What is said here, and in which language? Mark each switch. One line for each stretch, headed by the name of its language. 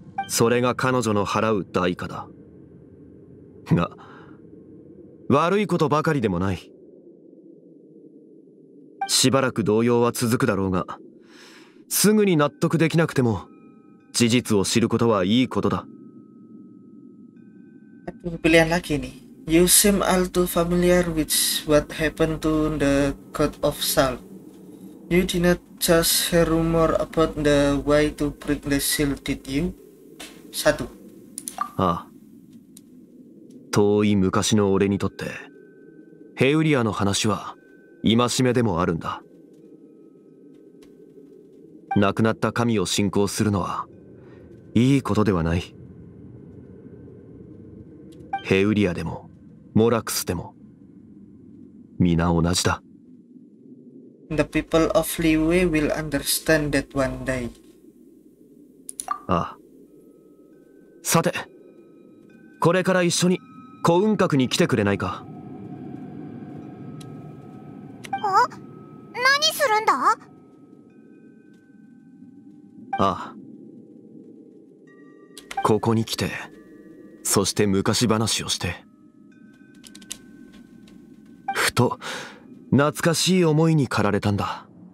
Japanese: それが彼女の払う代価だ。が、悪いことばかりでもない。しばらく動揺は続くだろうが、すぐに納得できなくても、事実を知ることはいいことだ。 Pilihan lagi nih.
English: You seem all too familiar with what happened to the God of Sal. You did not just hear rumor about the way to break the seal, did you? Satu.
Japanese: ああ、遠い昔の俺にとってヘウリアの話は戒めでもあるんだ。亡くなった神を信仰するのはいいことではない。ヘウリアでもモラクスでも皆同じだ。
English: The people of Liyue will understand that one day.
Japanese: ああ、さて、これから一緒に古雲閣に来てくれないか。あ、何するんだ。ああ、ここに来て、そして昔話をして、ふと懐かしい思いに駆られたんだ。